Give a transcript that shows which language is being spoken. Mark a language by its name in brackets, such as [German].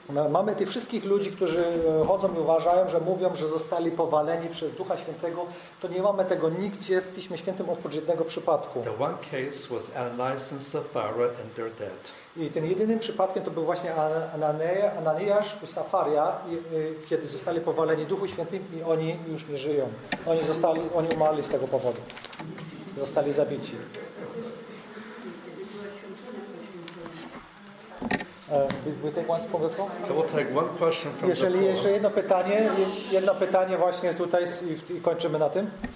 [Polish] Mamy tych wszystkich ludzi, którzy chodzą i uważają, że mówią, że zostali powaleni przez Ducha Świętego, to nie mamy tego nigdzie w Piśmie Świętym oprócz jednego przypadku. [English] The one case was Ananias and Sapphira and their debt. [Polish] I tym jedynym przypadkiem to był właśnie Ananias i Safaria, kiedy zostali powaleni Duchu Świętym i oni już nie żyją. Oni umarli z tego powodu. Zostali zabici. [English] We take one from the floor? We'll take one question from [Polish] jeżeli [English] the floor. [Polish] Jeszcze jedno pytanie właśnie tutaj i kończymy na tym.